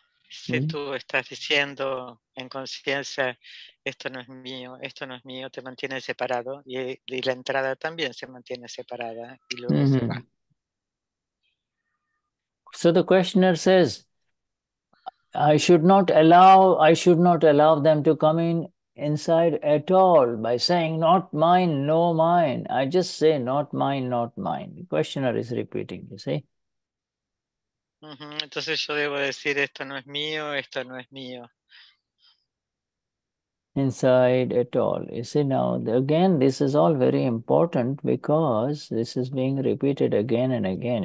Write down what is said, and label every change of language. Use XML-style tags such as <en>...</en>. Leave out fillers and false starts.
<es>Si tú estás diciendo en conciencia, esto no es mío, te mantienes separado y la entrada también se mantiene separada y luego se va.</es> <en>So the questioner says, I should not allow them to come in inside at all by saying not mine, no mine. I just say not mine, not mine. The questioner is repeating, you see.</en> <es>Entonces yo debo decir esto no es mío, esto no es mío.</es> <en>Inside at all. You see now, again, this is all very important because this is being repeated again and again.</en>